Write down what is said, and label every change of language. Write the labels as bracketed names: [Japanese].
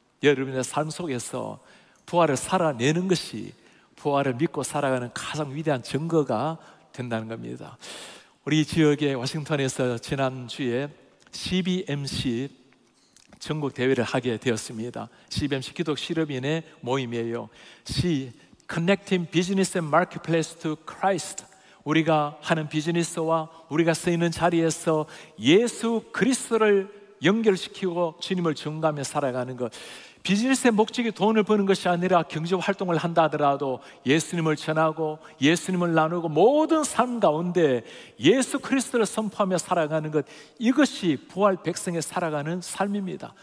[Korean] 여러분의 삶 속에서 부활을 살아내는 것이 부활을 믿고 살아가는 가장 위대한 증거가 된다는 겁니다. 우리 지역의 워싱턴에서 지난주에 CBMC 전국대회를 하게 되었습니다. CBMC 기독 실업인의 모임이에요. [English] C, Connecting Business and Marketplace to Christ. [Korean] 우리가 하는 비즈니스와 우리가 쓰이는 자리에서 예수 그리스도를 연결시키고 주님을 증거하며 살아가는 것. 비즈니스의 목적이 돈을 버는 것이 아니라 경제활동을 한다 하더라도 예수님을 전하고 예수님을 나누고 모든 삶 가운데 예수 그리스도를 선포하며 살아가는 것, 이것이 부활 백성의 살아가는 삶입니다.